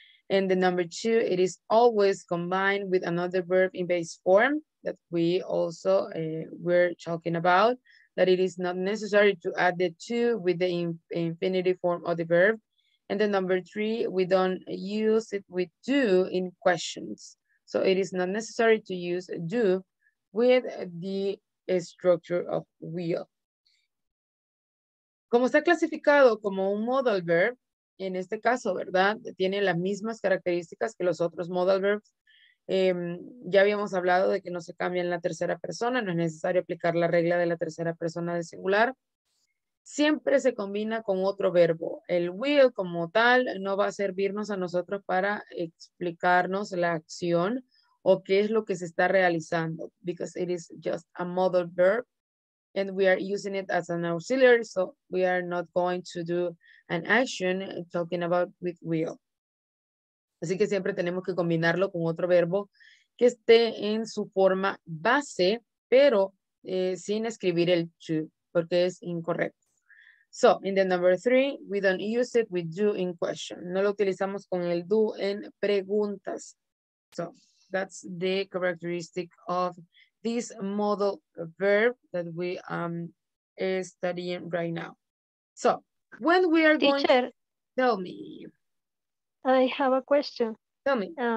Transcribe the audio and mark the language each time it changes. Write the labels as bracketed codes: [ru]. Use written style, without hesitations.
[en] And the number two, it is always combined with another verb in base form that we also were talking about, that it is not necessary to add the two with the infinitive form of the verb. And the number three, we don't use it with do in questions. So it is not necessary to use do with the structure of will. [es] Como está clasificado como un modal verb, en este caso, ¿verdad? Tiene las mismas características que los otros modal verbs. Ya habíamos hablado de que no se cambia en la tercera persona, no es necesario aplicar la regla de la tercera persona de singular. Siempre se combina con otro verbo. El will como tal no va a servirnos a nosotros para explicarnos la acción o qué es lo que se está realizando, [en] because it is just a modal verb. And we are using it as an auxiliary, so we are not going to do an action talking about with will. [es] Así que siempre tenemos que combinarlo con otro verbo que esté en su forma base, pero sin escribir el to, porque es incorrecto. [en] So, in the number three, we don't use it with do in question. [es] No lo utilizamos con el do en preguntas. [en] So, that's the characteristic of this modal verb that we are studying right now. So, when we are going teacher, to tell me. I have a question. Tell me.